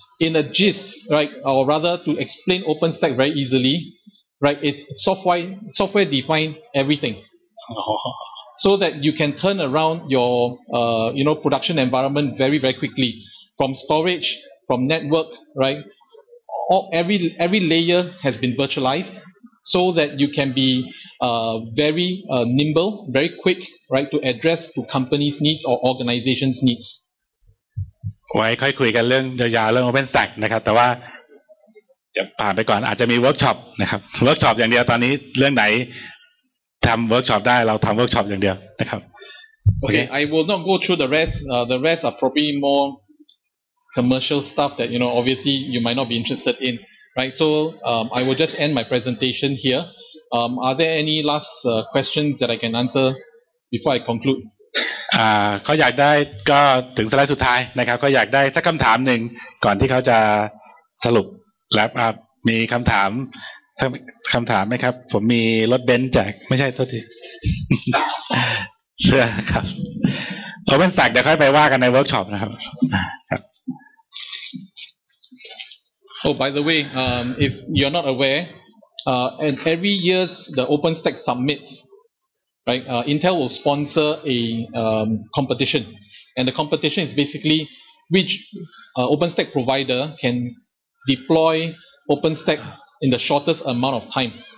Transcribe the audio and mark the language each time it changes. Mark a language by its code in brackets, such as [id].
[en] In a gist, right, or rather to explain OpenStack very easily,Right, it's software defined everything, so that you can turn around your production environment very very quickly, from storage, from network, right? Every layer has been virtualized, so that you can be very nimble, very quick, right? To address to companies' needs or organizations' needs. [th] ไว้ค่อยคุยกันเรื่องยาวๆเรื่อง OpenStack นะครับแต่ว่าจะผ่านไปก่อนอาจจะมีเวิร์กช็อปนะครับเวิร์กช็อปอย่างเดียวตอนนี้เรื่องไหนทำเวิร์กช็อปได้เราทำเวิร์กช็อปอย่างเดียวนะครับ [en] โอเค I will not go through the rest the rest are probably more commercial stuff that you know obviously you might not be interested in right so I will just end my presentation here are there any last questions that I can answer before I conclude [th] เขาอยากได้ก็ถึงสไลด์สุดท้ายนะครับก็อยากได้สักคำถามหนึ่งก่อนที่เขาจะสรุปแล้วมีคำถามทั้งคำถามไหมครับผมมีรถเบนซ์แจกไม่ใช่โทษทีเชื่อครับเราเป็นสักเดี๋ยวค่อยไปว่ากันในเวิร์กช็อปนะครับ [en] Oh by the way if you're not aware and every year's the OpenStack Summit right Intel will sponsor a competition and the competition is basically which OpenStack provider canDeploy OpenStack in the shortest amount of time.